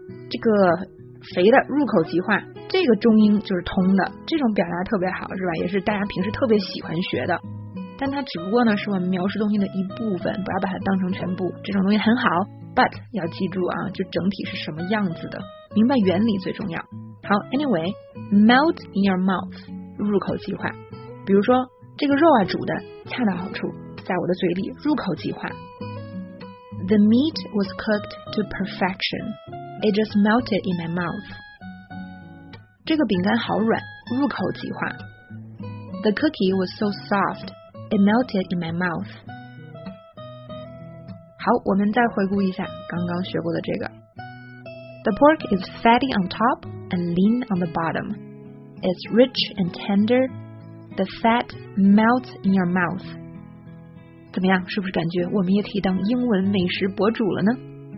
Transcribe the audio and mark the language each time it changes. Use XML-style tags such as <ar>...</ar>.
<zh>这个肥的入口即化，这个中英就是通的，这种表达特别好，是吧？也是大家平时特别喜欢学的。但它只不过呢是我们描述东西的一部分，不要把它当成全部。这种东西很好， but 要记住啊，就整体是什么样子的，明白原理最重要。</zh> <en>好 ，anyway， melt in your mouth， 入口即化。</en> <zh>比如说，这个肉啊煮的恰到好处，在我的嘴里入口即化。</zh> <en>The meat was cooked to perfection. It just melted in my mouth.</en> <zh>这个饼干好软，入口即化。</zh> <en>The cookie was so soft. It melted in my mouth.</en> <zh>好，我们再回顾一下刚刚学过的这个。</zh> <en>The pork is fatty on top and lean on the bottom. It's rich and tender. The fat melts in your mouth.</en> <zh>怎么样，是不是感觉我们也可以当英文美食博主了呢？</zh>